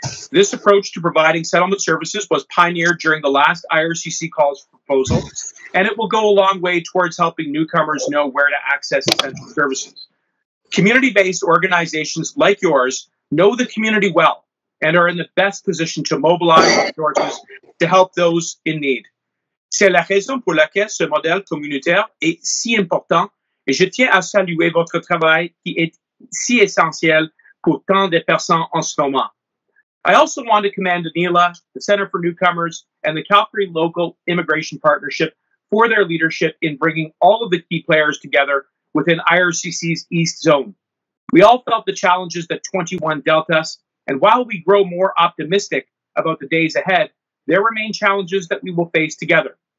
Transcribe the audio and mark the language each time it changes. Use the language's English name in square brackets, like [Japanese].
[English] This approach to providing settlement services was pioneered during the last IRCC calls for proposal, and it will go a long way towards helping newcomers know where to access essential services. Community-based organizations like yours know the community well and are in the best position to mobilize resources to help those in need. [French] C'est la raison pour laquelle ce modèle communautaire est si important, et je tiens à saluer votre travail qui est si essentiel pour tant de personnes en ce moment. [English] I also want to commend Anila, the Center for Newcomers, and the Calgary Local Immigration Partnership for their leadership in bringing all of the key players together within IRCC's East Zone. We all felt the challenges that 21 dealt us, and while we grow more optimistic about the days ahead, there remain challenges that we will face together.